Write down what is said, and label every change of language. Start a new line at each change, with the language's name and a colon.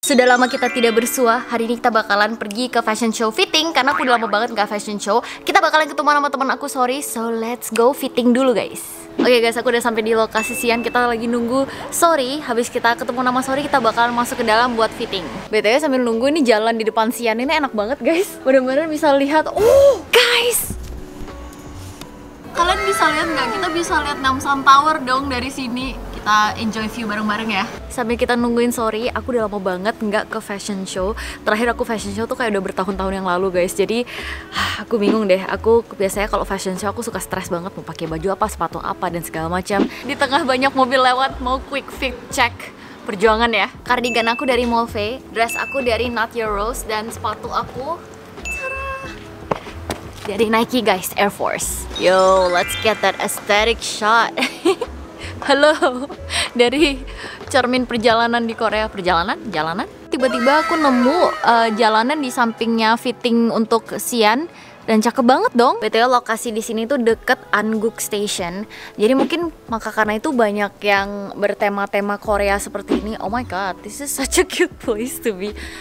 Indonesian: Sudah lama kita tidak bersua, hari ini kita bakalan pergi ke fashion show fitting. Karena aku udah lama banget gak fashion show. Kita bakalan ketemu sama teman aku, sorry.
English: So let's go fitting dulu guys.
Indonesian: Oke guys, aku udah sampai di lokasi siang. Kita lagi nunggu sorry. Habis kita ketemu nama sorry, kita bakalan masuk ke dalam buat fitting. BTW sambil nunggu, ini jalan di depan siang ini enak banget guys. Bener-bener bisa lihat. Guys, kalian bisa lihat gak? Kita bisa lihat Namsan Tower dong dari sini. Kita enjoy view bareng-bareng ya. Sambil kita nungguin sorry, aku udah lama banget gak ke fashion show. Terakhir aku fashion show tuh kayak udah bertahun-tahun yang lalu guys. Jadi aku bingung deh. Aku biasanya kalau fashion show aku suka stres banget, mau pakai baju apa, sepatu apa, dan segala macam. Di tengah banyak mobil lewat, mau
English: quick fit check.
Indonesian: Perjuangan ya. Cardigan aku dari Molve, dress aku dari Not Your Rose, dan sepatu aku dari Nike guys, Air Force.
English: Yo, let's get that aesthetic shot.
Indonesian: Halo, dari cermin perjalanan di Korea. Perjalanan? Jalanan? Tiba-tiba aku nemu jalanan di sampingnya fitting untuk Sian. Dan cakep banget dong. BTW lokasi di sini tuh deket Anguk Station. Jadi mungkin maka karena itu banyak yang bertema-tema Korea seperti ini.
English: Oh my god, this is such a cute place to be.